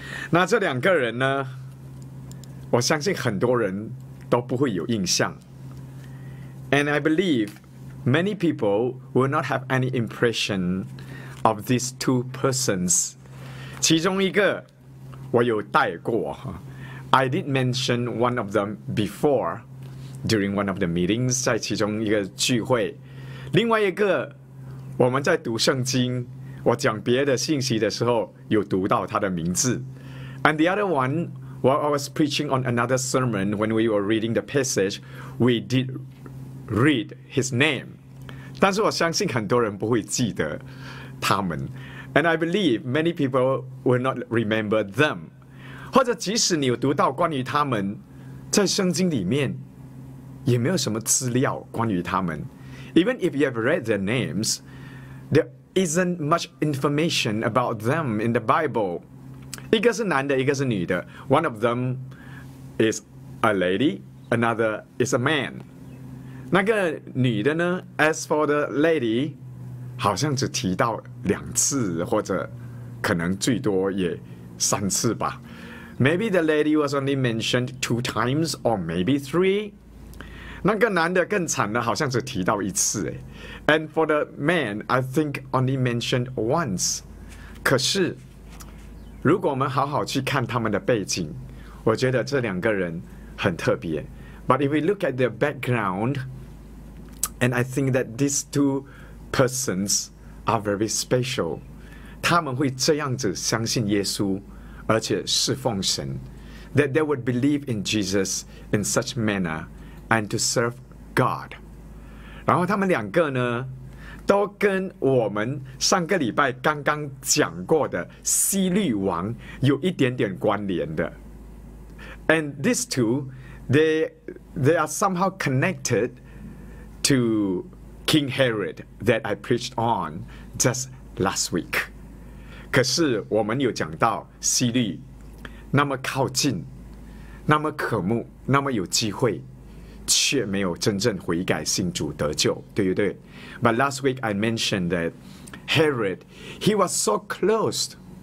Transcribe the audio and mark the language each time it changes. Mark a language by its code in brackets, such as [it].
[zh] 那这两个人呢，我相信很多人都不会有印象。 [en] And I believe many people will not have any impression of these two persons. [zh] 其中一个我有带过， [en] I did mention one of them before during one of the meetings, [zh] 在其中一个聚会。另外一个我们在读圣经，我讲别的信息的时候有读到他的名字。 [en] And the other one, while I was preaching on another sermon, when we were reading the passage, we did read his name. [zh] 但是我相信很多人不会记得他们。 [en] And I believe many people will not remember them. [zh] 或者即使你有读到关于他们，在圣经里面也没有什么资料关于他们。 [en] Even if you have read their names, there isn't much information about them in the Bible. [zh] 一个是男的，一个是女的。 [en] One of them is a lady, another is a man. [zh] 那个女的呢 ？ [en] As for the lady, [zh] 好像只提到两次，或者可能最多也三次吧。 [en] Maybe the lady was only mentioned two times, or maybe three. [zh] 那个男的更惨了，好像只提到一次。 [en] And for the man, I think only mentioned once. [zh] 可是。如果我们好好去看他们的背景，我觉得这两个人很特别。 [en] But if we look at their background, and I think that these two persons are very special. [zh] 他们会这样子相信耶稣，而且侍奉神。 [en] That they would believe in Jesus in such manner and to serve God. [zh] 然后他们两个呢？都跟我们上个礼拜刚刚讲过的希律王有一点点关联的。 [en] And these two, they are somehow connected to King Herod that I preached on just last week. [zh] 可是我们有讲到希律那么靠近，那么渴慕，那么有机会。却没有真正悔改信主得救，对不对 [en] ？But last week I mentioned that Herod, he was so close.